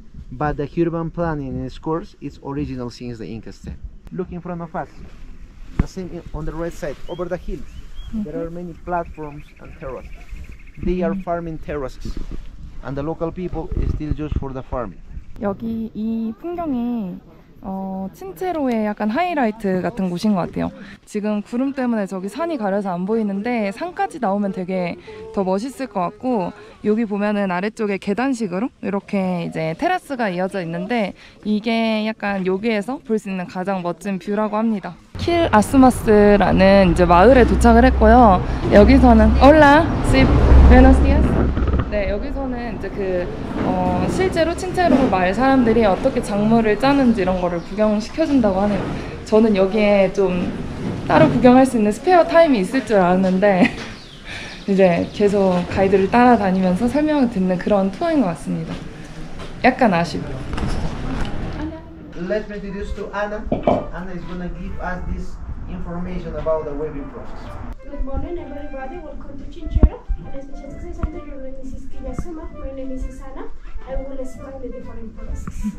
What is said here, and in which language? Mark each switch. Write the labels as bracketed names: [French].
[English] But the urban planning in its course is original since the Incas time. Look in front of us, the same on the right side, over the hills. Mm-hmm. There are many platforms and terraces. They are farming terraces. And the local people is still just for the farming. [Korean] 여기 이 풍경이 친체로의 약간 하이라이트 같은 곳인 것 같아요. 지금 구름 때문에 저기 산이 가려서 안 보이는데 산까지 나오면 되게 더 멋있을 것 같고 여기 보면은 아래쪽에 계단식으로 이렇게 이제 테라스가 이어져 있는데 이게 약간 여기에서 볼 수 있는 가장 멋진 뷰라고 합니다. 킬 아스마스라는 이제 마을에 도착을 했고요. 여기서는 올라 집 베너시아스. 네, 여기서는 이제 그 실제로 친체로 마을 사람들이 어떻게 작물을 짜는지 이런 거를 구경시켜준다고 하네요. 저는 여기에 좀 따로 구경할 수 있는 스페어 타임이 있을 줄 알았는데 이제 계속 가이드를 따라다니면서 설명을 듣는 그런 투어인 것 같습니다. 약간 아쉽죠. [English] Let me introduce to Anna is going to give us this information about the weaving process. Good morning, everybody. Welcome to Chinchero. As the Chester Center, your name is Kiya Suma. My name is Anna. I will explain the different processes.